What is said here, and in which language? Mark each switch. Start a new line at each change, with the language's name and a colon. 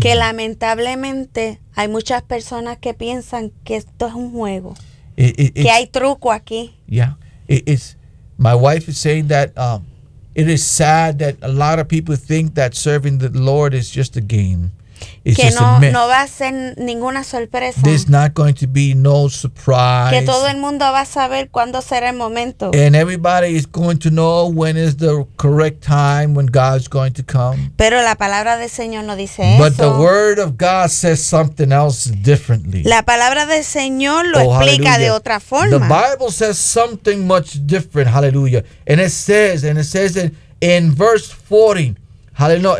Spanish: Que lamentablemente hay muchas personas que piensan que esto es un juego. Que hay truco aquí.
English: Yeah. My wife is saying that it is sad that a lot of people think that serving the Lord is just a game. It's que just no, a myth.
Spanish: No va a ser ninguna sorpresa.
English: There's not going to be no surprise.
Spanish: Que todo el mundo va a saber cuándo será el momento.
English: And everybody is going to know when is the correct time when God's going to come.
Spanish: Pero la palabra del Señor no dice
English: But
Spanish: eso.
English: But the word of God says something else differently.
Spanish: La palabra del Señor lo oh, explica hallelujah. De otra forma.
English: The Bible says something much different. Hallelujah. And it says in verse 40. Hallelujah.